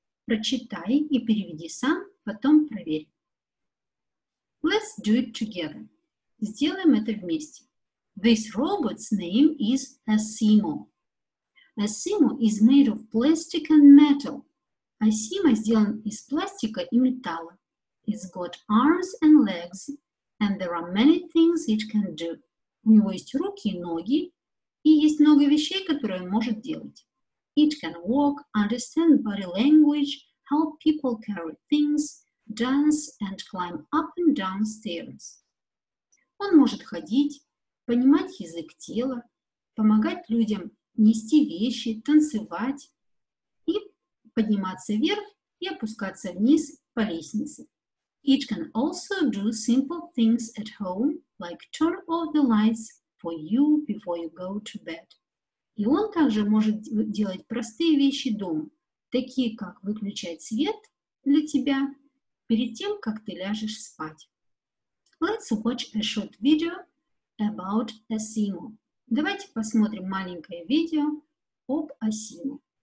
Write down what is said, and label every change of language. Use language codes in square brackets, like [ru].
[ru] Прочитай и переведи сам, потом проверь. [en] Let's do it together. [ru] Сделаем это вместе. [en] This robot's name is Asimo. Asimo is made of plastic and metal. [ru] Asimo сделан из пластика и металла. [en] It's got arms and legs, and there are many things it can do. [ru] У него есть руки и ноги. И есть много вещей, которые он может делать. [en] It can walk, understand body language, help people carry things, dance and climb up and down stairs. [ru] Он может ходить, понимать язык тела, помогать людям нести вещи, танцевать и подниматься вверх и опускаться вниз по лестнице. [en] It can also do simple things at home, like turn off the lights for you before you go to bed. [ru] И он также может делать простые вещи дома, такие как выключать свет для тебя перед тем, как ты ляжешь спать. [en] Let's watch a short video about Asimo. [ru] Давайте посмотрим маленькое видео об Asimo.